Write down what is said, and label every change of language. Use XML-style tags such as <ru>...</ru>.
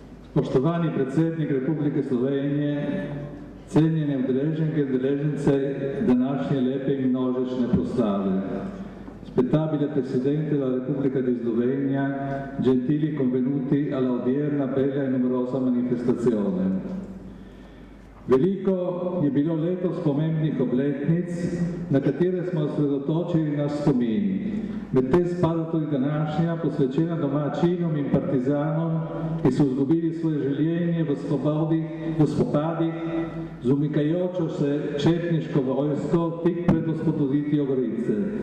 <sl>Spoštovani predsednik Republike Slovenije, cenjene udeleženke in udeležence današnje lepe in množične proslave.</sl> <it>Spettabile presidente della Repubblica di Slovenia, gentili convenuti alla odierna bella e numerosa manifestazione.</it> <sl>Veliko je bilo letos pomembnih obletnic, na katere smo osredotočili naš spomin. Med te spada tudi današnja, posvečena domačinom in partizanom, ki so izgubili svoje življenje v spopadih z umikajočo se četniško vojsko tik pred osvoboditvijo Gorice.</sl>